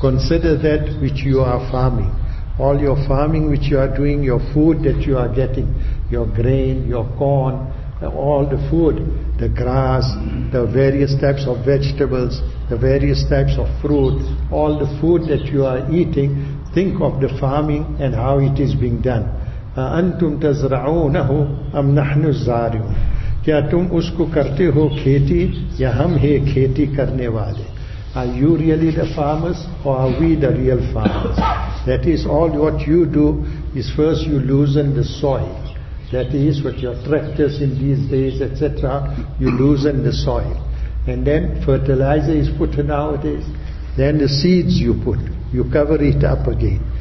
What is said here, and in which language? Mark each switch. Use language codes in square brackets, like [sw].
[en] Consider that which you are farming. All your farming which you are doing, your food that you are getting, your grain, your corn, all the food, the grass, the various types of vegetables, the various types of fruit, all the food that you are eating, think of the farming and how it is being done. [ar] أَنْتُمْ تَزْرَعُونَهُ أَمْ نَحْنُ الزَّارِعُونَ. [ur] کیا تم اس کو کرتے ہو کھیتی یا ہم ہے کھیتی کرنے والے. [en] Are you really the farmers or are we the real farmers? That is, all what you do is first you loosen the soil. That is what your tractors in these days, etc., you loosen the soil. And then fertilizer is put nowadays. Then the seeds you put, you cover it up again.